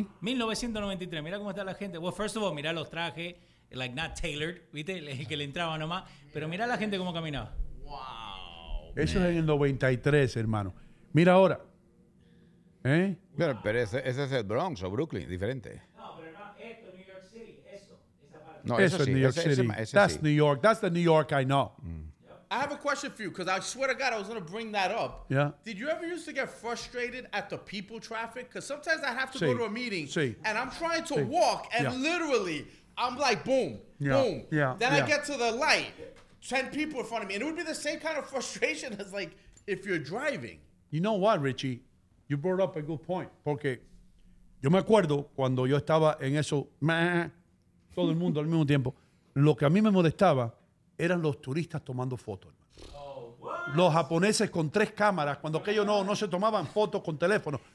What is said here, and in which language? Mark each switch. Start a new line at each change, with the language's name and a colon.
Spanish: 1993, mira cómo está la gente.
English: Well, first of all,
Spanish: mira los trajes,
English: like not tailored,
Spanish: viste, el que le entraba nomás, pero mira la gente cómo caminaba.
English: Wow.
Spanish: Eso es en el 93, hermano. Mira ahora. ¿Eh? Pero ese es el Bronx o Brooklyn, diferente. No, pero no, esto, New York City, eso. Esa parte. No, eso es sí,
English: New York City. Ese that's sí. New York. That's the New York I know. I have a question for you, because I swear to God, I was going to bring that up. Yeah. Did you ever used to get frustrated at the people traffic? Because sometimes I have to go to a meeting, and I'm trying to walk, and literally, I'm like, boom, boom. Yeah. Then yeah. I get to the light, 10 people in front of me, and it would be the same kind of frustration as, like, if you're driving. You know what, Richie? You brought up a good point.
Spanish: Porque yo me acuerdo cuando yo estaba en eso, todo el mundo al mismo tiempo, lo que a mí me molestaba eran los turistas tomando fotos.
English: Oh, what?
Spanish: Los japoneses con 3 cámaras, cuando aquellos no se tomaban fotos con teléfono.